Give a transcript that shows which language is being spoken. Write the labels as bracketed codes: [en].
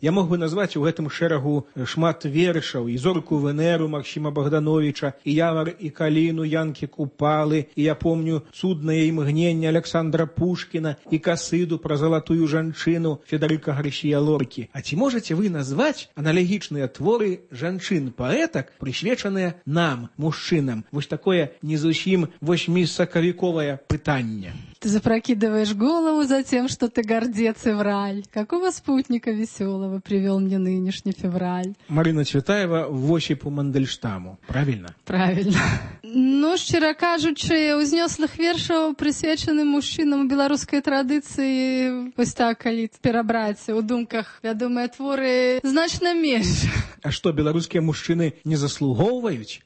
[be] Я мог бы назваць у гэтым шэрагу шмат вершаў: і «Зорку Венеру» Максіма Богдановіча, і «Явар і Каліну» Янкі Купалы, і «Я помню цуднае імгненне» Александра Пушкіна, і «Касыду» пра «Залатую жанчыну» Федэрыка Гарсія Лоркі. А ці можаце вы назваць аналагічныя творы жанчын-паэтак, прысвечаныя нам, мужчынам? Вось такое не зусім восьмісакавіковае пытанне. [ru] Ты запрокидываешь голову за тем, что ты гордец и враль. Какого спутника веселого привел мне нынешний февраль? Марина Цветаева в Осипу Мандельштаму. Правильно? Правильно. [be] Ну, шчыра кажучы, узнёслых вершаў, прысвечаных мужчынам беларускай традыцыі, вось так, калі перабраць у думках вядомыя творы, значна менш. А што, беларускія мужчыны не заслугоўваюць?